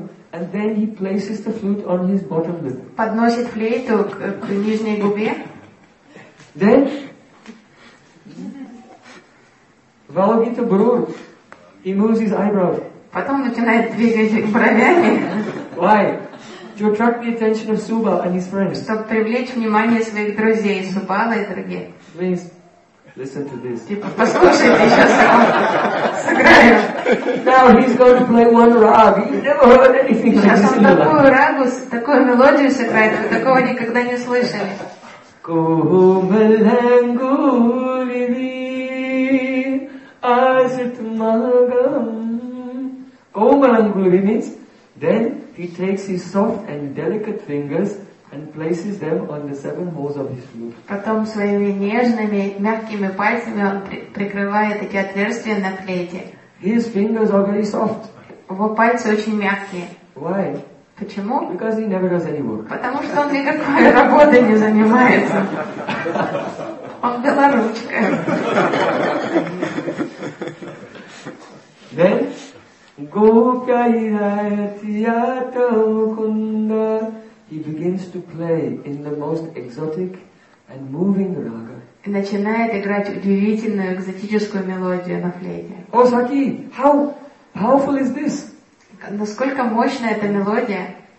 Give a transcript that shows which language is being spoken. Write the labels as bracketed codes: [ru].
[en] And then he places the flute on his bottom lip. [ru] Подносит флейту к нижней губе. [en] Then Valgit the brow. He moves his eyebrows. [ru] Потом начинает двигать бровями. [en] Why? To attract the attention of Subal and his friends. [ru] Чтобы привлечь внимание своих друзей Субала и других. [en] Please listen to this. [ru] Типа, послушайте, сейчас сыграю. [en] Now he's going to play one rag. He's never heard anything like this. [ru] Сейчас он такую рагу, такую мелодию сыграет, вы такого никогда не слышали. [sa] Кумеленгулили азитмагам. [en] Кумеленгулили means then he takes his soft and delicate fingers and places them on the seven holes of his flute. [ru] Потом своими нежными, мягкими пальцами он прикрывает эти отверстия на флейте. [en] His fingers are very soft. [ru] Его пальцы очень мягкие. [en] Why? [ru] Почему? [en] Because he never does any work. [ru] Потому что он никакой работы не занимается. Он белоручка. [en] Then, Gopyairatiyatamukunda, he begins to play in the most exotic and moving raga. [ru] И начинает играть удивительную экзотическую мелодию на флейте. [en] О, Саки, how powerful is this? [ru] Насколько мощна эта мелодия?